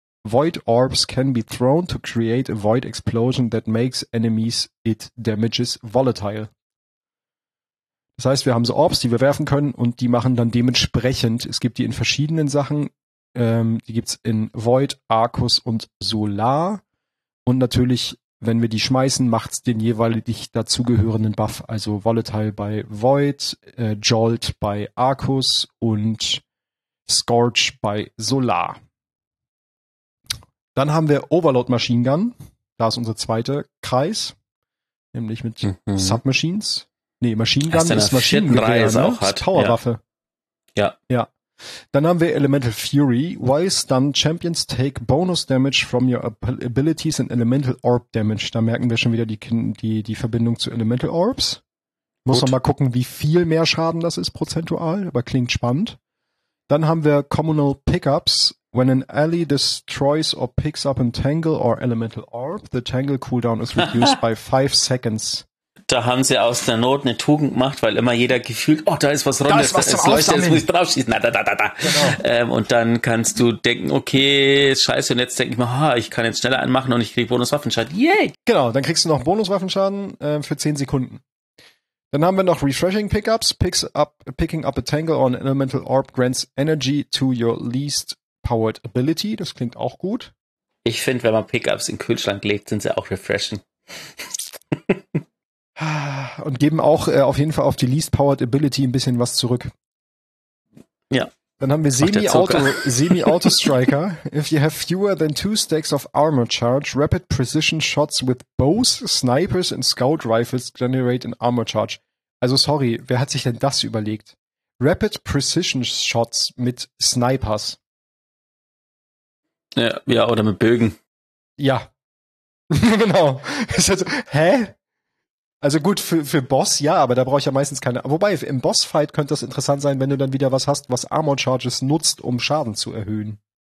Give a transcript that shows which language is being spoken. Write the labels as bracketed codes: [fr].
[en] Void orbs can be thrown to create a Void explosion that makes enemies it damages volatile. [de] Das heißt, wir haben so Orbs, die wir werfen können und die machen dann dementsprechend, es gibt die in verschiedenen Sachen, die gibt's in Void, Arcus und Solar. Und natürlich, wenn wir die schmeißen, macht's den jeweilig dazugehörenden Buff. Also Volatile bei Void, Jolt bei Arcus und Scorch bei Solar. Dann haben wir Overload Machine Gun. Da ist unser zweiter Kreis. Nämlich mit Submachines. Nee, Machine Gun ist Maschinengewehr, ne? Powerwaffe. Ja. Ja. Dann haben wir [en] Elemental Fury. While stunned, Champions take Bonus Damage from your Abilities and Elemental Orb Damage. [de] Da merken wir schon wieder die Verbindung zu Elemental Orbs. Muss man mal gucken, wie viel mehr Schaden das ist prozentual, aber klingt spannend. Dann haben wir Communal Pickups. [en] When an ally destroys or picks up a Tangle or Elemental Orb, the Tangle Cooldown is reduced by 5 seconds. [de] Da haben sie aus der Not eine Tugend gemacht, weil immer jeder gefühlt, oh, da ist was rund, es leuchtet, jetzt muss ich draufschießen. Na, da, da, da, da. Genau. Und dann kannst du denken, okay, ist scheiße, und jetzt denke ich mir, oh, ich kann jetzt schneller anmachen und ich kriege Bonuswaffenschaden. Yay! Genau, dann kriegst du noch Bonuswaffenschaden für 10 Sekunden. Dann haben wir noch Refreshing Pickups. [en] Picking up a Tangle or an Elemental Orb grants energy to your least powered ability. [de] Das klingt auch gut. Ich finde, wenn man Pickups in den Kühlschrank legt, sind sie auch refreshing. Und geben auch auf jeden Fall auf die Least Powered Ability ein bisschen was zurück. Ja. Dann haben wir Semi-Auto Striker. [en] If you have fewer than 2 stacks of armor charge, rapid precision shots with bows, snipers and scout rifles generate an armor charge. [de] Also sorry, wer hat sich denn das überlegt? [en] Rapid precision shots mit Snipers. [de] Ja, oder mit Bögen. Ja. Genau. Hä? Also gut, für Boss, ja, aber da brauche ich ja meistens keine. Wobei, im Bossfight könnte das interessant sein, wenn du dann wieder was hast, was Armor Charges nutzt, um Schaden zu erhöhen.